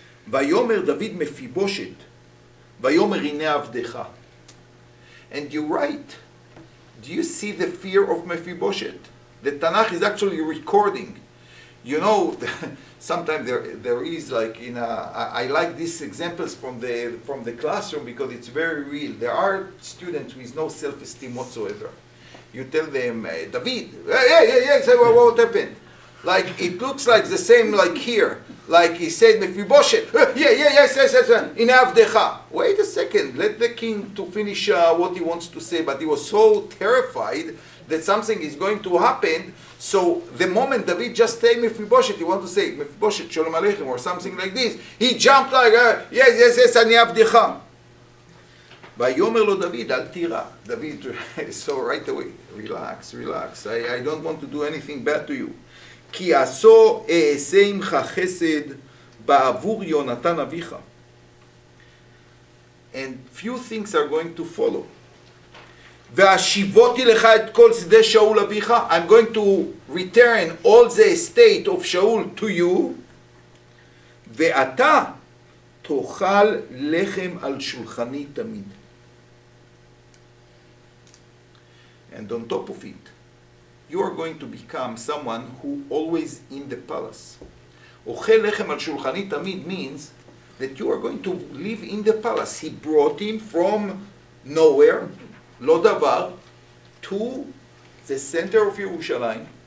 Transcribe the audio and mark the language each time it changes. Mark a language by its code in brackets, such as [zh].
[he] ויאמר דוד מפיבושת, ויאמר הנה עבדך. [en] And you write, do you see the fear of Mephibosheth? The Tanakh is actually recording. You know, sometimes there is like in a, I like these examples from the classroom because it's very real. There are students with no self-esteem whatsoever. You tell them, David, say, well, what happened? Like, it looks like the same like here. Like he said, Mephibosheth. In Avdecha. Wait a second. Let the king to finish what he wants to say. But he was so terrified that something is going to happen. So the moment David just said Mephibosheth, he wanted to say Mephibosheth, Shalom Aleichem, or something like this. He jumped like, yes, Ani Avdecha. [he] Vayomer lo David, al tira. [en] David, so right away, relax. I don't want to do anything bad to you. [he] כי עשו אעשה עמך חסד בעבור יונתן אביך. [en] And few things are going to follow. [he] והשיבותי לך את כל שדה שאול אביך. [en] I'm going to return all the estate of Shaul to you. [he] ואתה תאכל לחם על שולחני תמיד. [en] And on top of it, you are going to become someone who always in the palace. [he] אוכל לחם על שולחני תמיד [en] means that you are going to live in the palace. He brought him from nowhere, לא דבר, to the center of Jerusalem.